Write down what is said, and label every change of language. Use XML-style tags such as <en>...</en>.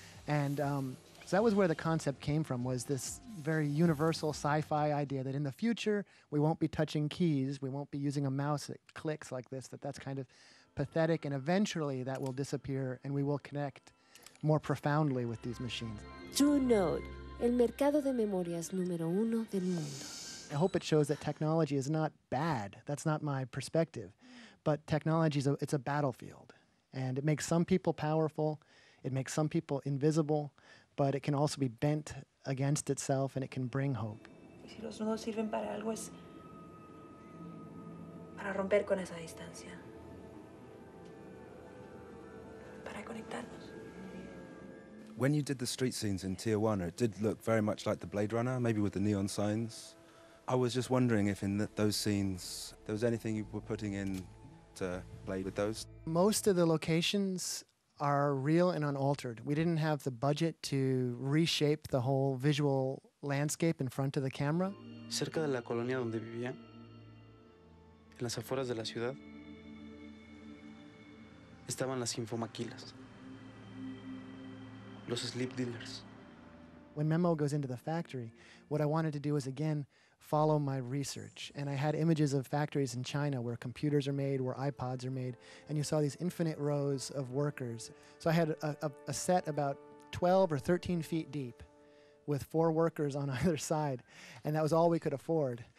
<en>And so that was where the concept came from, was this very universal sci-fi idea that in the future, we won't be touching keys, we won't be using a mouse that clicks like this, that's kind of pathetic, and eventually that will disappear and we will connect more profoundly with these machines.</en> <es>True Node, el mercado de memorias número uno del mundo.</es> <en>I hope it shows that technology is not bad. That's not my perspective. But technology, it's a battlefield. And it makes some people powerful, it makes some people invisible, but it can also be bent against itself and it can bring hope.</en> <es>Si los nudos sirven para algo, es para romper con esa distancia. Para conectarnos.</es> <en>When you did the street scenes in Tijuana, it did look very much like the Blade Runner, maybe with the neon signs. I was just wondering if in those scenes, there was anything you were putting in to play with those? Most of the locations are real and unaltered. We didn't have the budget to reshape the whole visual landscape in front of the camera.</en> <es>Cerca de la colonia donde vivía, en las afueras de la ciudad, estaban las infomaquilas, los sleep dealers.</es> <en>When Memo goes into the factory, what I wanted to do is again follow my research. And I had images of factories in China where computers are made, where iPods are made, and you saw these infinite rows of workers. So I had a set about 12 or 13 feet deep with four workers on either side, and that was all we could afford.</en>